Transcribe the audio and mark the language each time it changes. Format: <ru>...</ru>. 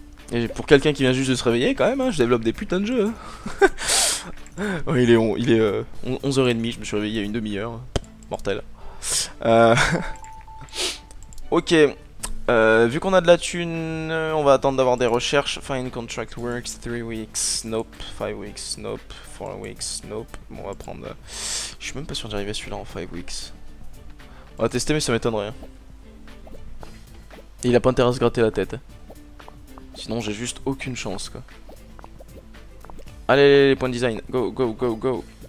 <fr>Et pour quelqu'un qui vient juste de se réveiller, quand même, hein, je développe des putains de jeux. Hein. Ouais, il est 11h30, je me suis réveillé il y a une demi-heure. Mortel. Ok. Vu qu'on a de la thune, on va attendre d'avoir des recherches.</fr> <en>Find contract works, 3 weeks, nope. 5 weeks, nope. 4 weeks, nope.</en> <fr>Bon, on va prendre. Je suis même pas sûr d'y arriver celui-là en 5 weeks. On va tester, mais ça m'étonnerait. Et il a pas intérêt à se gratter la tête. Sinon, j'ai juste aucune chance, quoi. Allez, les points de design. Go, go, go, go.</fr>